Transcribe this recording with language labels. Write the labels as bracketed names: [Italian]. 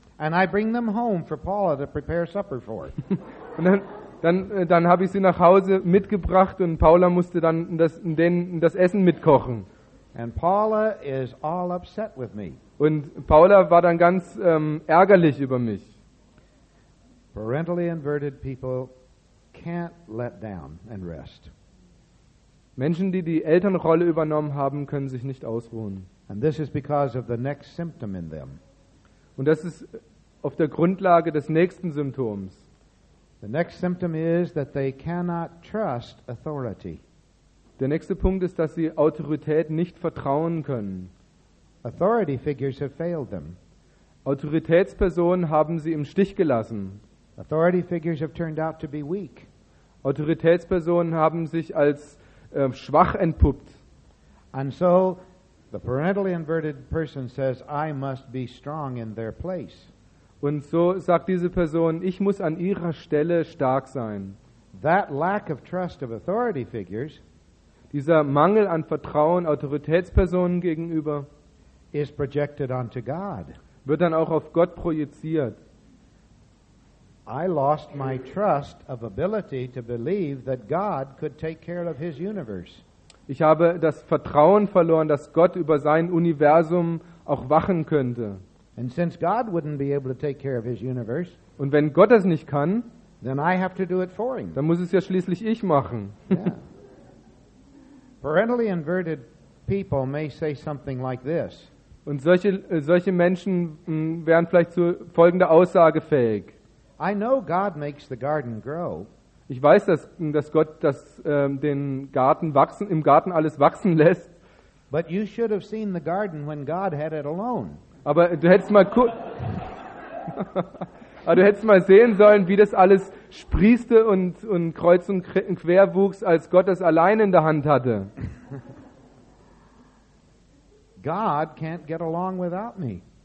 [English] And I bring them home for Paula to prepare supper for. [German] Und dann habe ich sie nach Hause mitgebracht und Paula musste dann das Essen mitkochen. [English] And Paula is all upset with me. [German] Und Paula war dann ganz ärgerlich über mich. [English] Parentally inverted people can't let down and rest. [German] Menschen, die die Elternrolle übernommen haben, können sich nicht ausruhen. [English] And this is because of the next symptom in them. [German] Und das ist auf der Grundlage des nächsten Symptoms. [English] The next symptom is that they cannot trust authority. [German] Der nächste Punkt ist, dass sie Autorität nicht vertrauen können. [English] Authority figures have failed them. [German] Autoritätspersonen haben sie im Stich gelassen. [English] Authority figures have turned out to be weak. [German] Autoritätspersonen haben sich als schwach entpuppt. [English] And so the parentally inverted person says, I must be strong in their place. [German] Und so sagt diese Person, ich muss an ihrer Stelle stark sein. [English] That lack of trust of authority figures, [German] dieser Mangel an Vertrauen Autoritätspersonen gegenüber, [English] is projected onto God. [German] Wird dann auch auf Gott projiziert. [English] I lost my trust of ability to believe that God could take care of his universe. [German] Ich habe das Vertrauen verloren, dass Gott über sein Universum auch wachen könnte. [English] And since God wouldn't be able to take care of his universe, [German] und wenn Gott das nicht kann, [English] then I have to do it for him. [German] Dann muss es ja schließlich ich machen. [English] Yeah. Parentally inverted people may say something like this. [German] Und solche Menschen wären vielleicht zu folgender Aussage fähig. [English] I know God makes the garden grow. [German] Ich weiß, dass Gott den Garten wachsen, im Garten alles wachsen lässt. [English] But you should have seen the garden when God had it alone. [German] Aber du hättest mal sehen sollen, wie das alles sprießte und kreuz und quer wuchs, als Gott es allein in der Hand hatte. [English] God can't get along without me.